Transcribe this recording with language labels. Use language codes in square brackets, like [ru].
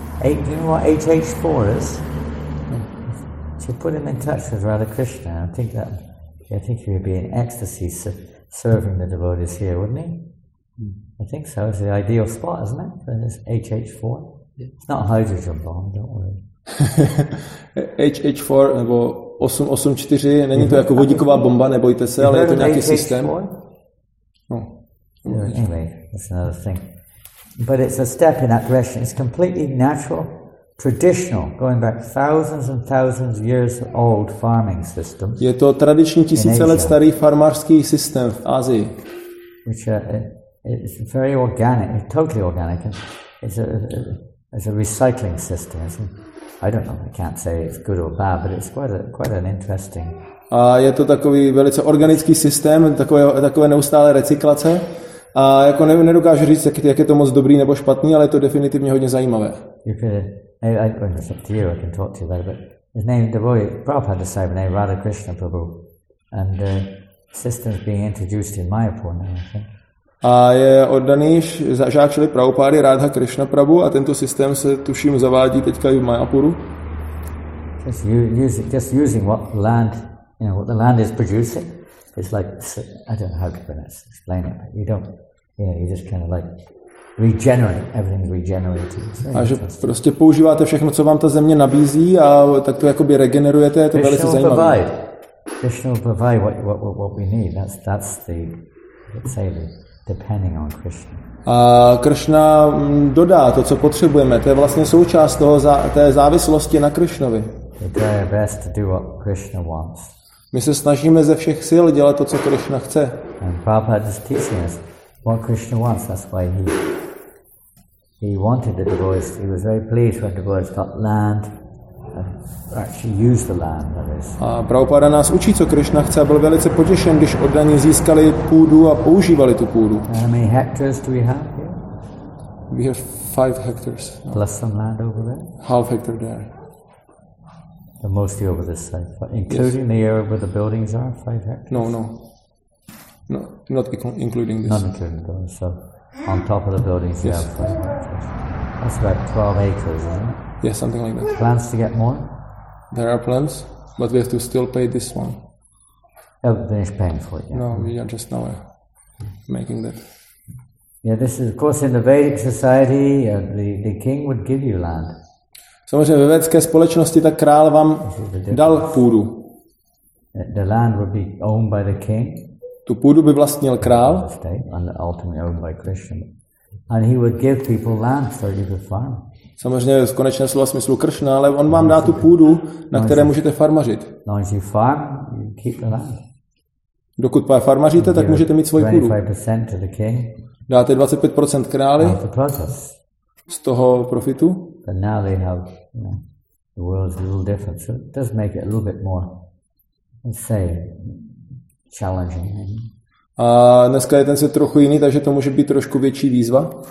[en] You know what HH4 is? To put him in touch with Radha Krishna, I think he would be in ecstasy serving the devotees here, wouldn't he? I think so, it's the ideal spot, isn't it, for this HH4? It's not a hydrogen bomb, don't worry. [cs] HH4 nebo 884 není to jako vodíková bomba, nebojte se, ale je to nějaký systém. [en] No. Anyway, that's another thing. But it's a step in that direction. It's completely natural, traditional, going back thousands and thousands of years old farming systems. [cs] Je to tradiční tisíce let starý farmářský systém v Asii. [en] Which is very organic, totally organic. It's a recycling system, isn't it? I don't know. I can't say it's good or bad, but it's quite an interesting. [cs] A je to takový velice organický systém, takové neustálé recyklace. A jako nedokážu říct, jak je to moc dobrý nebo špatný, ale je to definitivně hodně zajímavé. [en] I can talk to you about it, but his name the boy Prabhupada said name Radha Krishna Prabhu, and the system's being introduced in Mayapur now, I think. [cs] A je oddaný žák Šrily Prabhupády Radha Krishna Prabhu a tento systém se tuším zavádí teďka i v Mayapuru. [en] Just using what land, you know, what the land is producing. It's like, I don't know how to explain it. You don't, you know, you just kind of like regenerate everything regenerated. [cs] A že prostě používáte všechno, co vám ta země nabízí a tak to jakoby regenerujete, je to velice zajímavé. [en] Krishna will provide what we need. That's the, let's say the depending on Krishna. [cs] A Krishna dodá to, co potřebujeme. To je vlastně součást toho té závislosti na Krishnovi. [en] We try our best to do what Krishna wants. [cs] My se snažíme ze všech sil dělat to, co Krishna chce. [en] And Prabhupada is teaching us what Krishna wants. That's why he He wanted the divorce. He was very pleased when the divorce got land. Actually use the land, that is. [cs] A Prabhupada nás učí, co Krishna chce, a byl velice potěšen, když oddaní získali půdu a používali tu půdu. [en] How many hectares do we have here? We have 5 hectares. Plus some land over there? Half hectare there. And mostly over this side, including yes. The area where the buildings are, 5 hectares? No, not including this. Not including those, so on top of the buildings yes. You have 5 hectares. That's about 12 acres, isn't it? Yes, something like that. Plans to get more? There are plans, but we have to still pay this one. Oh, finish paying for it, yeah. No, we are just now making that. Yeah, this is, of course, in the Vedic society, the king would give you land. [cs] Samozřejmě ve vědecké společnosti ta král vám dal půdu. [en] The land would be owned by the king. [cs] Tu půdu by vlastnil král. [en] And ultimately owned by Krishna. And he would give people land for you to farm. [cs] Samozřejmě v konečné slova smyslu Krishna, ale on vám dá tu půdu, na které můžete farmařit. [en] As you farm, you keep the land. [cs] Dokud farmaříte, tak můžete mít svoji půdu. [en] 25% to the king. [cs] Dáte 25% králi. Z toho profitu. [en] And now they have, the world's a little different, so it does make it a little bit more, let's say, challenging. [cs] A dneska je ten svět trochu jiný, takže to může být trošku větší výzva.